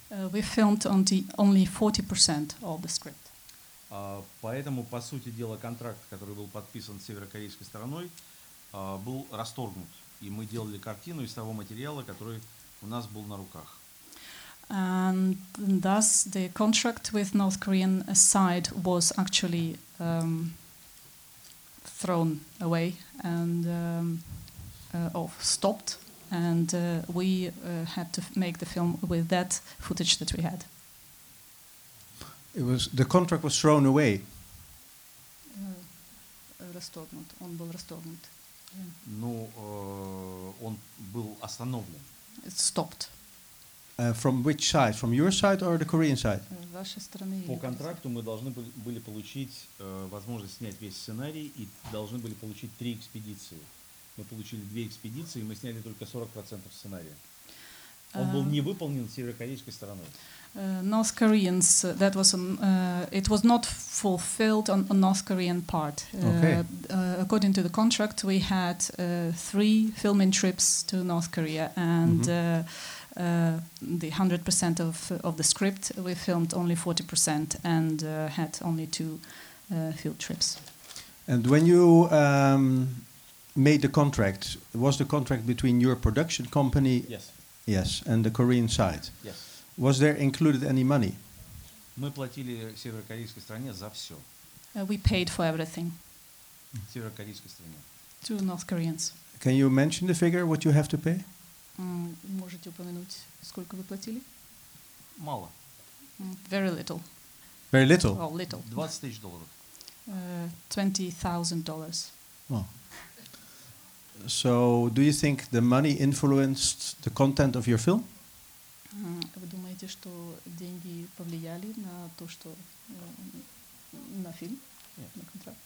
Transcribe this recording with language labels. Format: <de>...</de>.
<en>We filmed on the only 40% of the script.</en> <ru>Поэтому, по сути дела, контракт, который был подписан северокорейской стороной, был расторгнут. И мы делали картину из того материала, который у нас был на руках.</ru> <en>And thus the contract with North Korean side was actually thrown away and stopped, and we had to make the film with that footage that we had. It was the contract was thrown away.</en> <ru>Расторгнут. Он был расторгнут. Ну, он был остановлен.</ru> <en>It stopped. From which side? From your side or the Korean side?</en> <ru>По контракту мы должны были получить возможность снять весь сценарий и должны были получить три экспедиции. Мы получили две экспедиции, мы сняли только 40% сценария. Он был не выполнен северокорейской стороной.</ru> <en>North Koreans, that was it was not fulfilled on the North Korean part. According to the contract, we had three filming trips to North Korea, and the 100% of the script we filmed only 40% and had only two field trips. And when you made the contract, was the contract between your production company? Yes, and the Korean side. Yes. Was there included any money?</en> <ru>Мы платили северокорейской стране за все.</ru> <en>We paid for everything.</en> <ru>Северокорейской стране.</ru> <en>To North Koreans. Can you mention the figure, what you have to pay?</en> <ru>Можете упомянуть, сколько вы платили? Мало.</ru> <en>Very little. Very little? Oh, little. $20,000. $20,000. Oh. So, do you think the money influenced the content of your film?</en> <ru>Вы думаете, что деньги повлияли на то, что на фильм, на контракт?</ru>